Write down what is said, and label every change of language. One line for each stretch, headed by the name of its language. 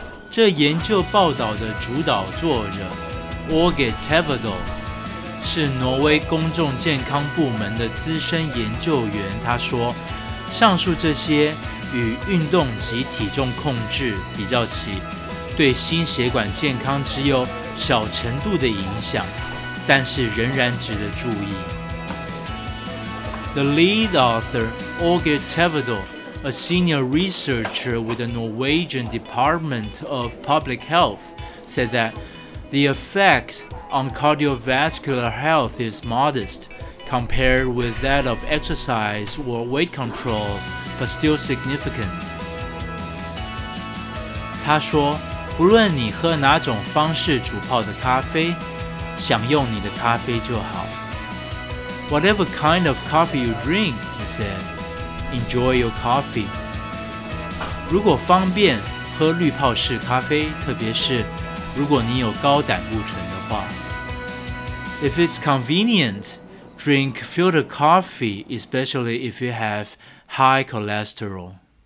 Chinese: 这研究报道的主导作者 Åge Tevedal 是挪威公众健康部门的资深研究员，他说上述这些与运动及体重控制比较起对心血管健康只有小程度的影响，但是仍然值得注意。
English: The lead author Åge TevedalA senior researcher with the Norwegian Department of Public Health said that the effect on cardiovascular health is modest compared with that of exercise or weight control, but still significant.
Chinese: 他说，不论你喝哪种方式煮泡的咖啡，享用你的咖啡就好。
English: Whatever kind of coffee you drink, he said,Enjoy your coffee.
Chinese: 如果方便喝滤泡式咖啡，特别是如果你有高胆固醇的话。
English: If it's convenient, drink filtered coffee, especially if you have high cholesterol.